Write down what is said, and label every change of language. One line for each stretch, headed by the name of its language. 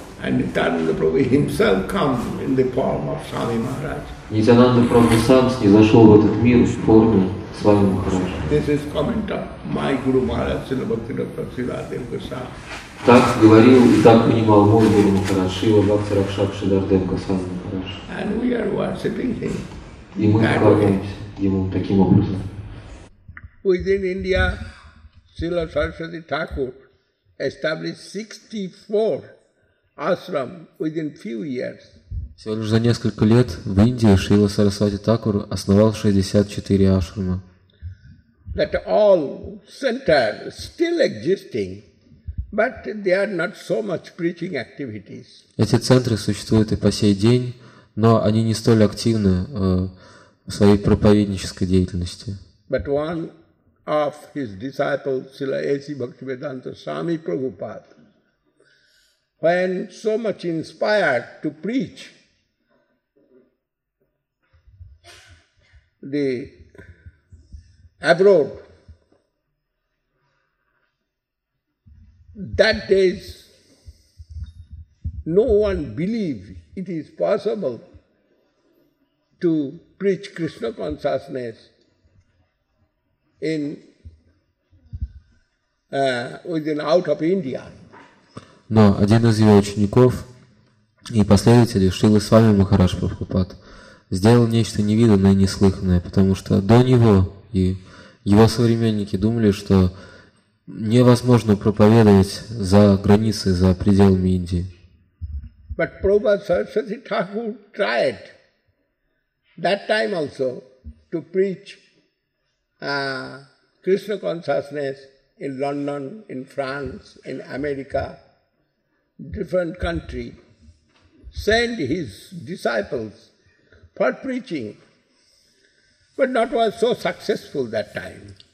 English: And Nityananda Prabhu himself come in the form of Swami Maharaj.
Russian: Nityananda Prabhu сам снизошел в этот мир в форме Свами Махараджа.
English: This is comment of my Guru Maharaj, Srila Bhaktivinoda Siddhartha Goswami.
Russian: Так говорил и так понимал мой Гуру Махарадж, Шрила Бхакти Ракшак Сиддхартха Госвами Махарадж.
English: And we are worshipping him.
Russian: И мы поклоняемся ему таким образом.
English: Within India, Srila Saraswati Thakur established 64 ashram within few years.
Russian: Всего лишь за несколько лет в Индии Шрила Сарасвати Такур основал 64 ашрама.
English: That all centers still existing, but they are not so much preaching activities.
Russian: Эти центры существуют и по сей день, но они не столь активны в своей проповеднической деятельности.
English: But one of his disciples, Srila A.C. Bhaktivedanta Swami Prabhupada, when so much inspired to preach the abroad, that days no one believed it is possible to preach Krishna consciousness in within out of India.
Russian: Но один из его учеников и последователей, Шрила Свами Махарадж Прабхупад, сделал нечто невиданное и неслыханное, потому что до него и его современники думали, что невозможно проповедовать за границей, за пределами Индии.
English: But Prabhupada Saraswati Thakur tried that time also to preach Krishna consciousness in London, in France, in America, different country, send his disciples for preaching, but not was so successful that time.